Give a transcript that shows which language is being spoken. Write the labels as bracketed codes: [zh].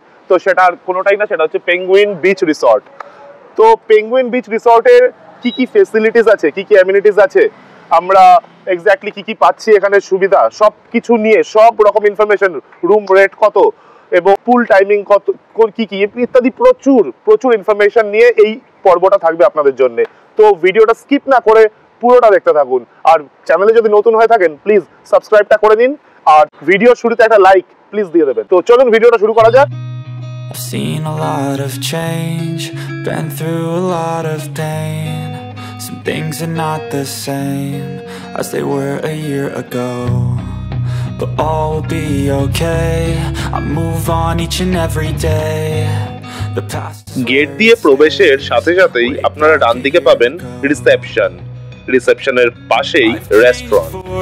[bn] তো সেটা আর কোনোটাই না, সেটা হচ্ছে পেঙ্গুইন বিচ রিসর্ট। তো পেঙ্গুইন বিচ রিসর্টের কি কি ফেসিলিটিস আছে, কি কি অ্যামিনিটিস আছে, আমরা এক্স্যাক্টলি কি কি পাচ্ছি এখানে সুবিধা, সব কিছু নিয়ে সব রকম ইনফরমেশন, রুম রেট কত এবং পুল টাইমিং কত, কি কি ইত্যাদি প্রচুর প্রচুর ইনফরমেশন নিয়ে এই পর্বটা থাকবে আপনাদের জন্য। তো ভিডিওটা স্কিপ না করে পুরোটা দেখতে থাকুন, আর চ্যানেলে যদি নতুন হয়ে থাকেন প্লিজ সাবস্ক্রাইবটা করে নিন, আর ভিডিও শুরুতে একটা লাইক প্লিজ দিয়ে দেবেন। তো চলুন ভিডিওটা শুরু করা যাক। [en] Seen a lot of change, been through a lot of pain. Some things are not the same as they were a year ago, but all will be okay. I move on each and every day. The past [bn] gate দিয়ে প্রবেশের সাথে সাথেই আপনারা ডান দিকে পাবেন reception, রিসেপশনের পাশেই restaurant.